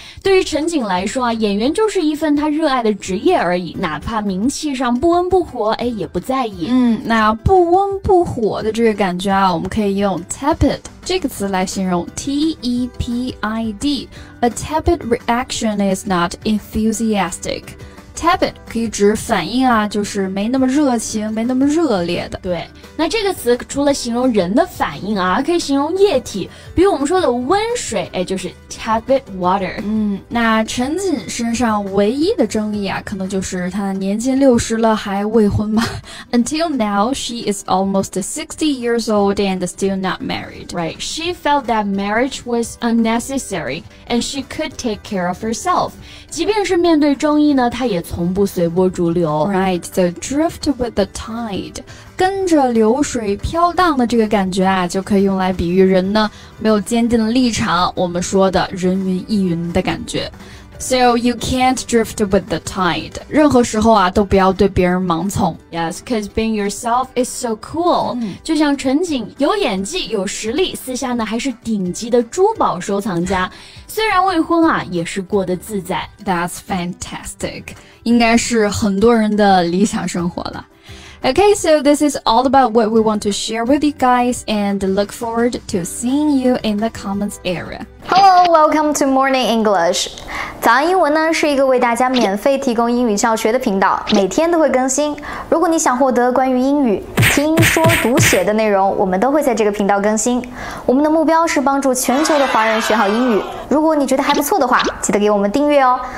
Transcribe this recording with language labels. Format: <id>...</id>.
<zh>对于陈瑾来说啊，演员就是一份他热爱的职业而已，哪怕名气上不温不火，哎，也不在意。嗯，那不温不火的这个感觉啊，我们可以用 tepid 这个词来形容 ，T-E-P-I-D.</zh> <en>A tepid reaction is not enthusiastic.</en> <zh>Tepid 可以指反应啊，就是没那么热情，没那么热烈的。对，那这个词除了形容人的反应啊，可以形容液体，比如我们说的温水，哎，就是</zh> <en>tepid water。</en> <zh>嗯，那陈瑾身上唯一的争议啊，可能就是她年近60了还未婚吧。</zh> <en>Until now, she is almost 60 years old and still not married. Right, she felt that marriage was unnecessary and she could take care of herself.</en> <zh>即便是面对争议呢，她也从不随波逐流。</zh> <en>Right, so drift with the tide,</en> <zh>跟着流水飘荡的这个感觉啊，就可以用来比喻人呢，没有坚定的立场，我们说的人云亦云的感觉。</zh> <en>So you can't drift with the tide.</en> <zh>任何时候啊，都不要对别人盲从。</zh> <en>Yes, because being yourself is so cool.、嗯、</en> <zh>就像陈瑾有演技、有实力，私下呢还是顶级的珠宝收藏家。虽然未婚啊，也是过得自在。</zh> <en>That's fantastic.</en> <zh>应该是很多人的理想生活了。</zh> <en>Okay, so this is all about what we want to share with you guys, and look forward to seeing you in the comments area. Hello, welcome to Morning English.</en> <zh>早安英文呢，是一个为大家免费提供英语教学的频道，每天都会更新。如果你想获得关于英语听说读写的内容，我们都会在这个频道更新。我们的目标是帮助全球的华人学好英语。如果你觉得还不错的话，记得给我们订阅哦。</zh>